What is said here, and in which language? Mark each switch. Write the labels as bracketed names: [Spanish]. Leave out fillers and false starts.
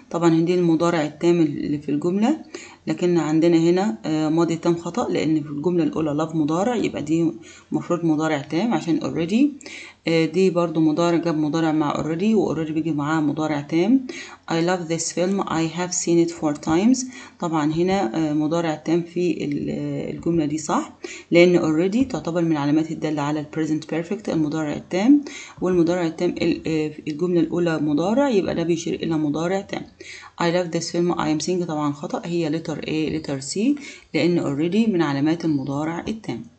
[Arabic] طبعا هندي المضارع التام اللي في الجملة، لكن عندنا هنا ماضي تام خطأ، لأن في الجملة الأولى love مضارع، يبقى دي مفروض مضارع تام عشان already. دي برضو مضارع جاب مضارع مع already، و already بيجي معاه مضارع تام. [English] I love this film، I have seen it 4 times. [Arabic] طبعا هنا مضارع تام في الجملة دي صح، لأن already تعتبر من علامات الدالة على present perfect المضارع التام، والمضارع التام الجملة الأولى مضارع، يبقى ده بيشير إلى مضارع تام. [English] I love this film، I am seeing [Arabic] طبعا خطأ، هي letter A letter C، لأن already من علامات المضارع التام.